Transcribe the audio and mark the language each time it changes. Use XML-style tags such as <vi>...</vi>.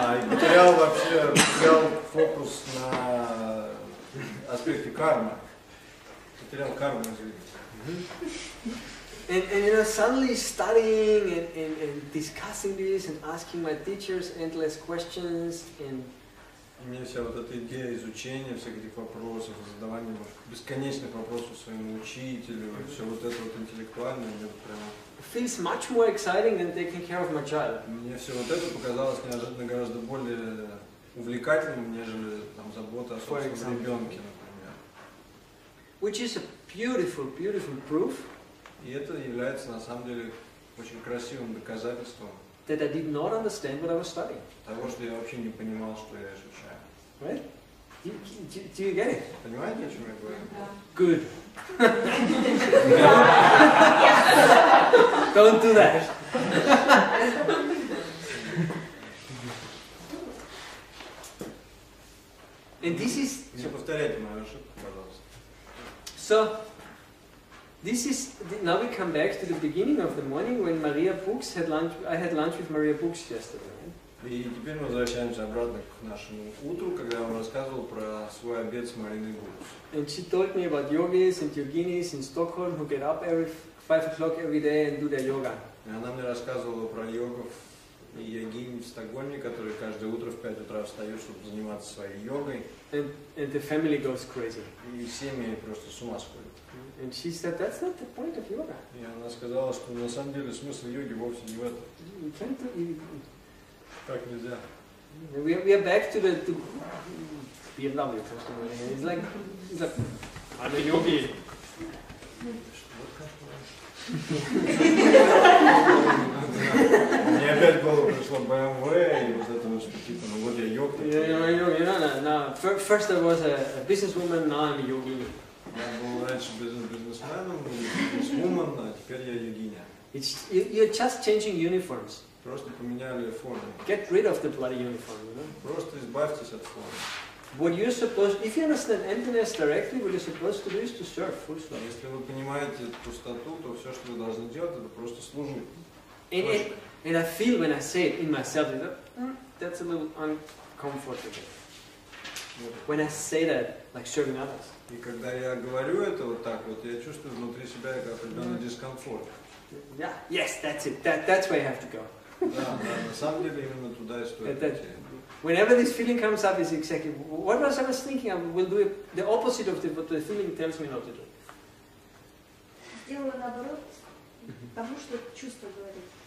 <ru>Потерял вообще фокус на аспекте кармы. Потерял карму, извините.</ru> <en>And you know, suddenly studying and discussing this and asking my teachers endless questions and</en> <ru>у меня вся вот эта идея изучения всех этих вопросов, задавания бесконечных вопросов своему учителю, mm-hmm. все вот это вот интеллектуальное, мне прямо...</ru> <en>Feels much more exciting than taking care of my child.</en> <ru>Мне все вот это показалось неожиданно гораздо более увлекательным, нежели там забота о собственном ребенке, например.</ru> <en>Which is a beautiful, beautiful proof.</en> <ru>И это является на самом деле очень красивым доказательством.</ru> <en>That I did not understand what I was studying.</en> <ru>Того, что я вообще не понимал, что я изучаю.</ru> <en>Right? Do you get it?</en> <ru>Понимаете, о чем я говорю?</ru> <en>Good. Don't do that. And this is.</en> <ru>Не повторяйте мою ошибку, пожалуйста.</ru> <en>So. This is now we come back to the beginning of the morning when Maria Books had lunch. I had lunch with Maria Books yesterday.</en> <ru>И теперь мы возвращаемся обратно к нашему утру, когда я вам рассказывал про свой обед с Мариной Books.</ru> <en>And she told me about yogis and yoginis in Stockholm who get up every 5 o'clock every day and do their yoga.</en> <ru>И она мне рассказывала про йогов и йогинь в Стокгольме, которые каждое утро в 5 утра встают, чтобы заниматься своей йогой.</ru> <en>And the family goes crazy.</en> <ru>И семьи просто с ума сходят.</ru> <en>And she said, "That's not the point of yoga."</en> <ru>И она сказала, что на самом деле смысл йоги вовсе не в этом.</ru> <en>You can't do it.</en> <ru>Так нельзя.</ru> <en>We are back to the to be in love with first of all. It's like.</en> <ru>А на йоге? Мне опять голову пришло BMW и вот это вот типа, ну вот я йог.</ru> <en>Yeah, first I was a businesswoman, now I'm a yogi.</en> <ru>Я был раньше бизнесменом, бизнесвумен, а теперь я йогиня.</ru> <en>You're just changing uniforms.</en> <ru>Просто поменяли форму.</ru> <en>Get rid of the bloody uniform, you know?</en> <ru>Просто избавьтесь от формы.</ru> <en>What you're supposed, if you understand emptiness directly, what you're supposed to do is to serve, full stop.</en> <ru>Если вы понимаете пустоту, то все, что вы должны делать, это просто служить.</ru> <en>And I feel when I say it in myself, you know, that's a little uncomfortable. When I say that, like serving others.</en> <ru>И когда я говорю это вот так вот, я чувствую внутри себя определенный дискомфорт.</ru> <en>Yeah, yes, that's it. That's where you have to go.</en> <ru>Да, на самом деле именно туда и стоит идти.</ru> <en>Whenever this feeling comes up, is exactly what was I was thinking. I will do it, the opposite of what the feeling tells me not to do.</en> <ru>Сделаю наоборот, потому что чувство говорит.</ru>